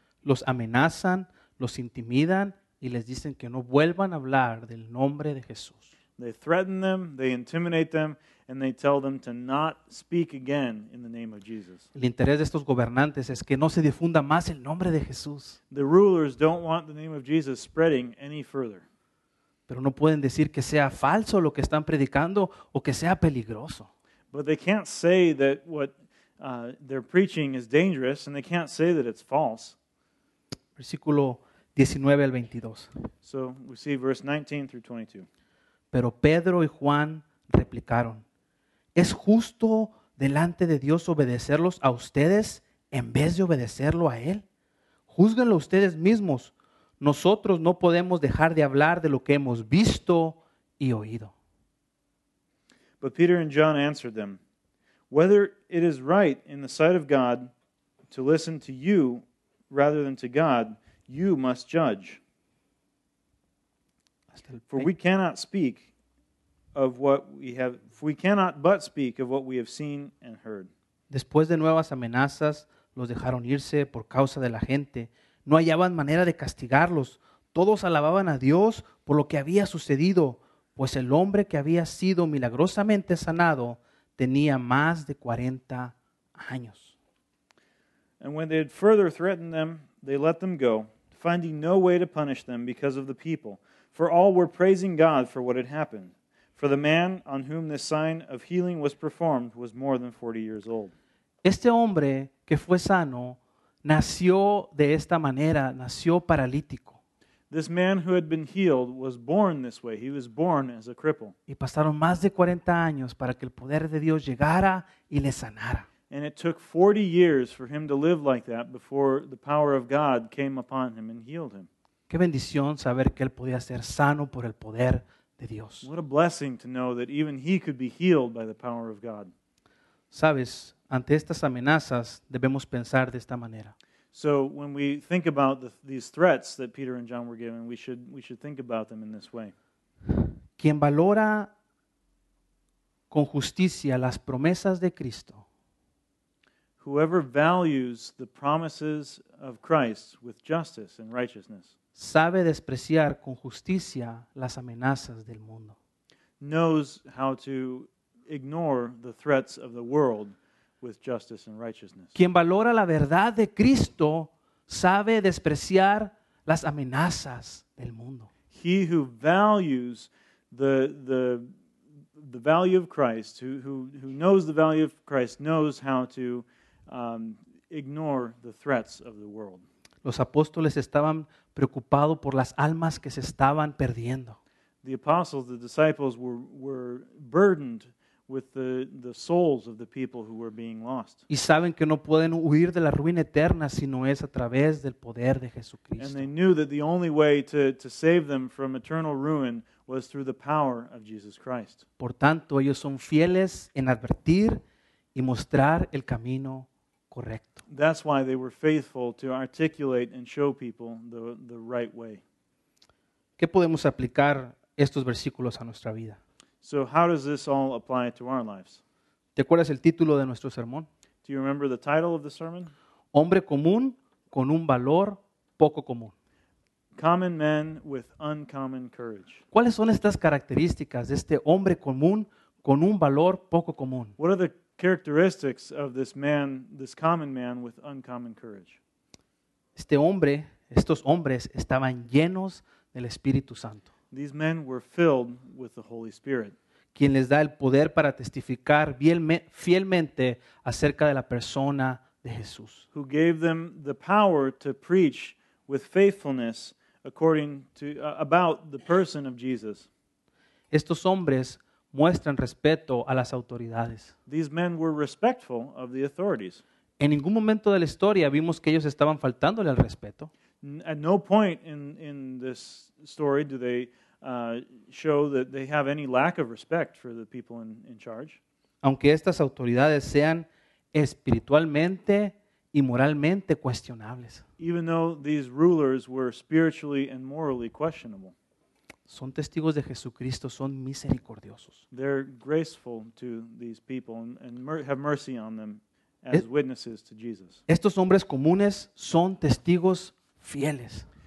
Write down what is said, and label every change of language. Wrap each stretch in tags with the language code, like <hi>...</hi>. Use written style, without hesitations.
<es>Los amenazan, los intimidan y les dicen que no vuelvan a hablar del nombre de Jesús.</es> <en>They threaten them, they intimidate them, and they tell them to not speak again in the name of Jesus.</en> <es>El interés de estos gobernantes es que no se difunda más el nombre de Jesús.</es> <en>The rulers don't want the name of Jesus spreading any further.</en> <es>Pero no pueden decir que sea falso lo que están predicando o que sea peligroso.</es> <en>But they can't say that what they're preaching is dangerous, and they can't say that it's false.</en> <es>Versículo 19 al 22.</es> <en>So we see verse 19 through 22.</en> <es>Pero Pedro y Juan replicaron, ¿es justo delante de Dios obedecerlos a ustedes en vez de obedecerlo a Él? Júzguenlo ustedes mismos. Nosotros no podemos dejar de hablar de lo que hemos visto y oído.</es> <en>But Peter and John answered them, whether it is right in the sight of God to listen to you rather than to God, you must judge. For we cannot speak of what we have, for we cannot but speak of what we have seen and heard.</en> <es>Después de nuevas amenazas, los dejaron irse por causa de la gente. No hallaban manera de castigarlos. Todos alababan a Dios por lo que había sucedido, pues el hombre que había sido milagrosamente sanado tenía más de 40 años.</es> <en>And when they had further threatened them, they let them go, finding no way to punish them because of the people. For all were praising God for what had happened. For the man on whom this sign of healing was performed was more than 40 years old.</en> <es>Este hombre que fue sano nació de esta manera, nació paralítico.</es> <en>This man who had been healed was born this way. He was born as a cripple.</en> <es>Y pasaron más de 40 años para que el poder de Dios llegara y le sanara.</es> <en>And it took 40 years for him to live like that before the power of God came upon him and healed him.</en> <es>Qué bendición saber que él podía ser sano por el poder de Dios.</es> <en>What a blessing to know that even he could be healed by the power of God.</en> <es>Sabes, ante estas amenazas debemos pensar de esta manera.</es> <en>So when we think about these threats that Peter and John were given, we should think about them in this way.</en> <es>Quien valora con justicia las promesas de Cristo.</es> <en>Whoever values the promises of Christ with justice and righteousness</en> <es>sabe despreciar con justicia las amenazas del mundo.</es> <en>Knows how to ignore the threats of the world with justice and righteousness.</en> <es>Quien valora la verdad de Cristo sabe despreciar las amenazas del mundo.</es> <en>He who values the the value of Christ, who knows the value of Christ, knows how to ignore the threats of the world.</en> <es>Los apóstoles estaban preocupados por las almas que se estaban perdiendo.</es> <en>The apostles, the disciples, were burdened with the souls of the people who were being lost.</en> <es>Y saben que no pueden huir de la ruina eterna si no es a través del poder de Jesucristo.</es> <en>And they knew that the only way to save them from eternal ruin was through the power of Jesus Christ.</en> <es>Por tanto, ellos son fieles en advertir y mostrar el camino correcto.</es> <en>That's why they were faithful to articulate and show people the right way.</en> <es>¿Qué podemos aplicar estos versículos a nuestra vida?</es> <en>So how does this all apply to our lives?</en> <es>¿Te acuerdas el título de nuestro sermón?</es> <en>Do you remember the title of the sermon?</en> <es>Hombre común con un valor poco común.</es> <en>Common man with uncommon courage.</en> <es>¿Cuáles son estas características de este hombre común con un valor poco común?</es> <en>What are the characteristics of this man, this common man with uncommon courage?</en> <es>Este hombre, estos hombres estaban llenos del Espíritu Santo.</es> <en>These men were filled with the Holy Spirit.</en> <es>Quien les da el poder para testificar fielmente acerca de la persona de Jesús.</es> <en>Who gave them the power to preach with faithfulness about the person of Jesus.</en> <es>Estos hombres muestran respeto a las autoridades.</es> <en>These men were respectful of the authorities.</en> <es>En ningún momento de la historia vimos que ellos estaban faltándole al respeto.</es> <en>At no point in this story do they show that they have any lack of respect for the people in charge.</en> <es>Aunque estas autoridades sean espiritualmente y moralmente cuestionables.</es> <en>Even though these rulers were spiritually and morally questionable.</en> <es>Son testigos de Jesucristo, son misericordiosos.</es> <en>They're graceful to these people and have mercy on them as witnesses to Jesus.</en> <es>Estos hombres comunes son testigos fieles.</es>